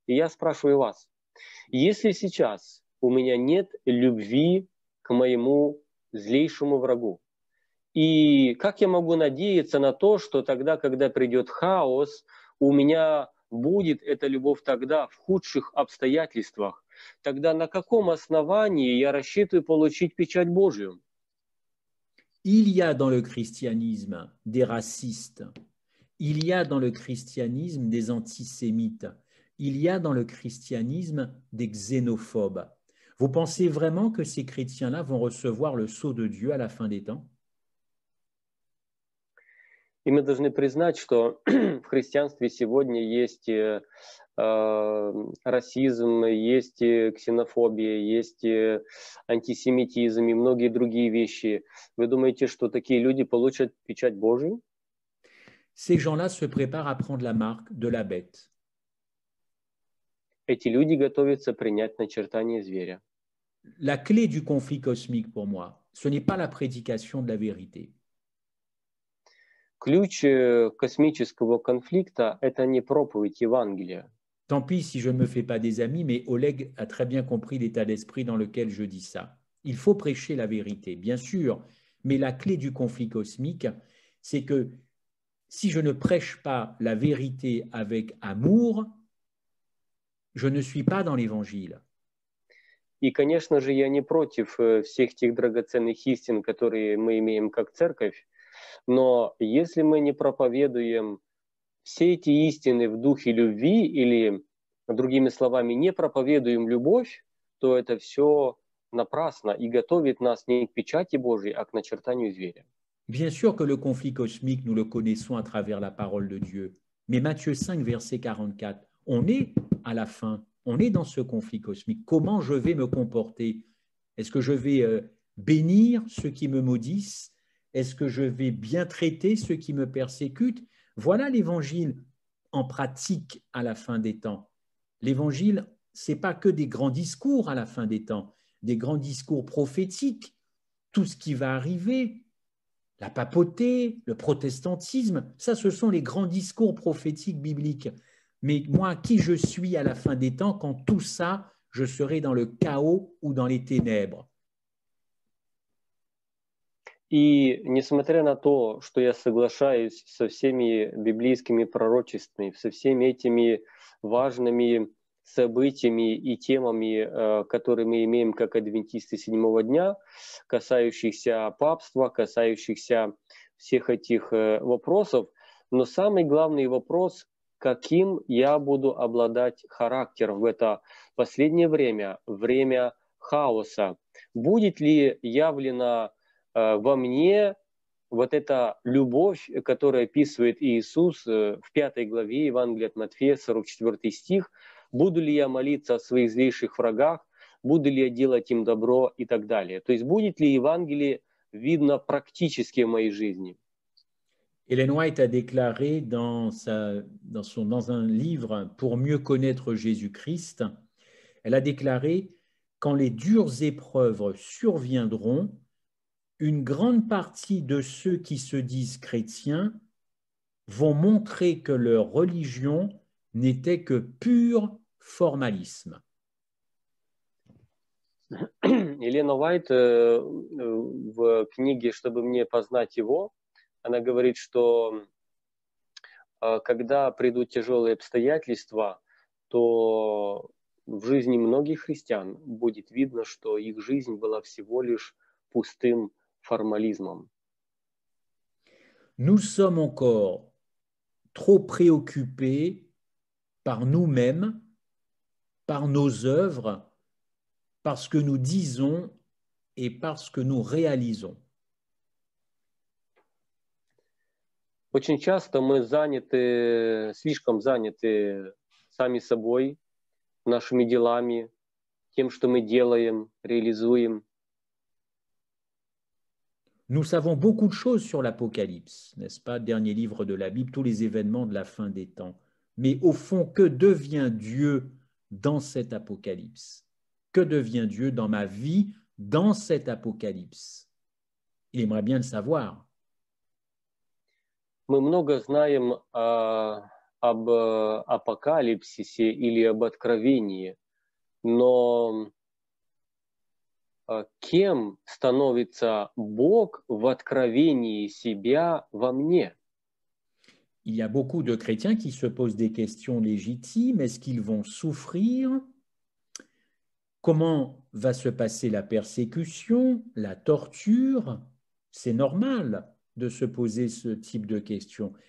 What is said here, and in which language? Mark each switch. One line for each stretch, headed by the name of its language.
Russian: И я спрашиваю вас, если сейчас у меня нет любви к моему злейшему врагу, и как я могу надеяться на то, что тогда, когда придет хаос, у меня будет эта любовь тогда в худших обстоятельствах? Тогда на каком основании я рассчитываю получить печать Божью?
French: Il y a dans le christianisme des racistes. Il y a dans le christianisme des antisémites. Il y a dans le christianisme des xénophobes. Vous pensez vraiment que ces chrétiens-là vont recevoir le sceau de Dieu à la fin des temps?
Russian: И мы должны признать, что в христианстве сегодня есть расизм, есть ксенофобия, есть антисемитизм и многие другие вещи. Вы думаете, что такие люди получат печать Божию?
French: Ces gens-là se préparent à prendre la marque de la bête.
Russian: Эти люди готовятся принять начертание зверя.
French: La clé du conflit cosmique pour moi, ce n'est pas la prédication de la vérité.
Russian: Ключ космического конфликта – это не проповедь Евангелия.
French: Tant pis si je ne me fais pas des amis, mais Oleg a très bien compris l'état d'esprit dans lequel je dis ça. Il faut prêcher la vérité, bien sûr, mais la clé du conflit cosmique, c'est que si je ne prêche pas la vérité avec amour, je ne suis pas dans l'Évangile.
Russian: И, конечно же, я не против всех тех драгоценных истин, которые мы имеем как церковь, но если мы не проповедуем все эти истины в духе любви или, другими словами, не проповедуем любовь, то это все напрасно и готовит нас не к печати Божьей, а к начертанию зверя.
French: Bien sûr que le conflit cosmique, nous le connaissons à travers la parole de Dieu. Mais Matthieu 5, verset 44, on est à la fin, on est dans ce conflit cosmique. Comment je vais me comporter? Est-ce que je vais bénir ceux qui me maudissent? Est-ce que je vais bien traiter ceux qui me persécutent? Voilà l'Évangile en pratique à la fin des temps. L'Évangile, ce n'est pas que des grands discours à la fin des temps, des grands discours prophétiques, tout ce qui va arriver, la papauté, le protestantisme, ça ce sont les grands discours prophétiques bibliques. Mais moi, qui je suis à la fin des temps quand tout ça, je serai dans le chaos ou dans les ténèbres?
Russian: И несмотря на то, что я соглашаюсь со всеми библейскими пророчествами, со всеми этими важными событиями и темами, которые мы имеем как адвентисты седьмого дня, касающихся папства, касающихся всех этих вопросов, но самый главный вопрос, каким я буду обладать характером в это последнее время, время хаоса. Будет ли явлено во мне вот эта любовь, которую описывает Иисус в 5 главе Евангелия от Матфея, 44 стих, буду ли я молиться о своих злейших врагах, буду ли я делать им добро и так далее. То есть будет ли Евангелие видно практически в моей жизни?
French: Эллен Уайт a déclaré dans un livre «Pour mieux connaître Jésus-Christ», elle a déclaré «Quand les dures épreuves surviendront, une grande partie de ceux qui se disent chrétiens vont montrer que leur religion n'était que pur формалисма.
Russian: Елена Уайт в книге «Чтобы мне познать его», она говорит, что когда придут тяжелые обстоятельства, то в жизни многих христиан будет видно, что их жизнь была всего лишь пустым формализмом.
French: Nous sommes encore trop préoccupés par nous-mêmes, par nos œuvres, par ce que nous disons et par ce que nous réalisons.
Russian: Очень часто мы заняты, слишком заняты сами собой, нашими делами, тем, что мы делаем, реализуем.
French: Nous savons beaucoup de choses sur l'Apocalypse, n'est-ce pas, dernier livre de la Bible, tous les événements de la fin des temps. Mais au fond, que devient Dieu dans cet apocalypse? Que devient Dieu dans ma vie dans cet apocalypse? Il aimerait bien le savoir.
Russian: Мы много знаем об апокалипсисе или об откровении, но кем становится Бог в откровении себя во мне?
French: Il y a beaucoup de chrétiens qui se posent des questions légitimes. Est-ce qu'ils vont souffrir? comment va se passer la persécution, la torture. C'est normal de se poser ce type de questions.